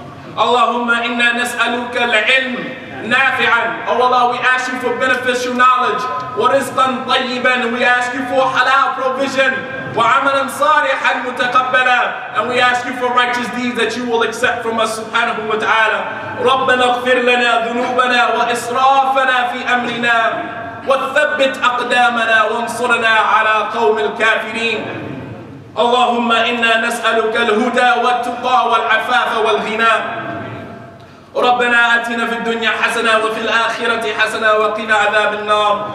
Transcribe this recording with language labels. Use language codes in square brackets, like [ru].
[ar] اللهم إنا نسألك العلم نافعا. [en] Oh Allah, we ask you for beneficial knowledge. [ar] ورزقا طيبا. [en] We ask you for halal provision. [ar] وعملا صالحا متقبلا. [en] And we ask you for righteous deeds that you will accept from us subhanahu wa ta'ala. [ar] ربنا اغفر لنا ذنوبنا وإسرافنا في أمرنا وثبت أقدامنا وانصرنا على قوم الكافرين. اللهم إنا نسألك الهدى والتقى والعفاف والغنى. ربنا آتنا في الدنيا حسنة وفي الآخرة حسنة وقنا عذاب النار.